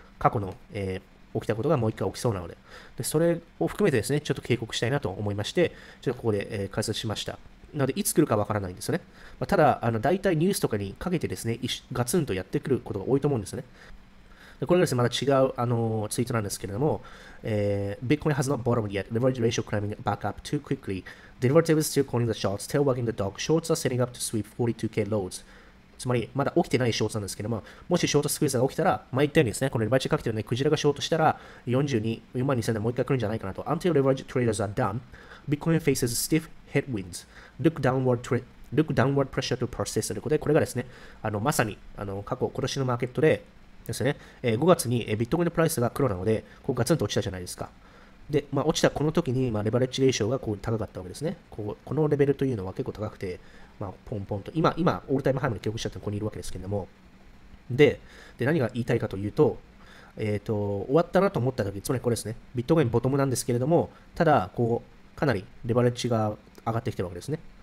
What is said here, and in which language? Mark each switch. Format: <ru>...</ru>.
<ja>過去の、起きたことがもう一回起きそうなので。で、それを含めてですね、ちょっと警告したいなと思いまして、ちょっとここで、解説しました。なので、いつ来るかわからないんですよね。まあ、ただ、大体ニュースとかにかけてですね、ガツンとやってくることが多いと思うんですね。これがですね、また違う、ツイートなんですけれども、</ja> <en>Bitcoin has not bottomed yet. Leverage ratio climbing back up too quickly. Derivatives still calling the shots. Tail wagging the dog. Shorts are setting up to sweep 42k loads.</en> <ja>つまり、まだ起きてないショートなんですけども、もしショートスクイーズが起きたら、まあ、言ったようにですね、このレバレッジかけてるね、クジラがショートしたら、42万2000でもう一回来るんじゃないかなと。</ja> <en>Until leverage traders are done, Bitcoin faces stiff headwinds. Look downward pressure to persist.</en> <ja>ということで、これがですね、まさに、過去、今年のマーケットで、ですね、5月にビットコインのプライスが黒なので、こうガツンと落ちたじゃないですか。で、まあ、落ちたこの時に、まあ、レバレッジレーションがこう高かったわけですね。このレベルというのは結構高くて、まあ、ポンポンと。今、オールタイムハイまで記録しちゃってここにいるわけですけれども。で、何が言いたいかというと、終わったなと思った時、つまりこれですね、ビットコインボトムなんですけれども、ただ、こう、かなりレバレッジが上がってきてるわけですね。</ja>